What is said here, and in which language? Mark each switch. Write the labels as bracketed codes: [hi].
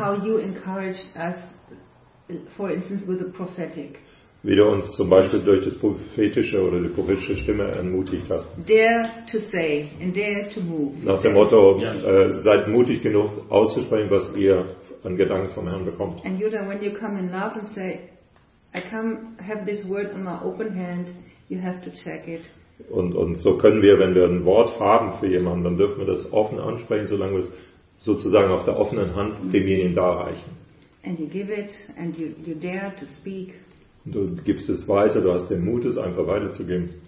[en] How you encouraged us. For instance, with the prophetic. [de] Wie du uns zum Beispiel durch das prophetische oder die prophetische Stimme ermutigt hast. [en] Dare to say and dare to move. [de] Nach dem Motto, seid mutig genug auszusprechen, was ihr an Gedanken vom Herrn bekommt. [en] And Yuda, when you come in love and say, I come have this word in my open hand, you have to check it. [de] Und so können wir, wenn wir ein Wort haben für jemanden, dann dürfen wir das offen ansprechen, solange wir es sozusagen auf der offenen Hand demjenigen darreichen. [en] And you give it, and you dare to speak. [de] Und du gibst es weiter. Du hast den Mut, es einfach weiterzugeben.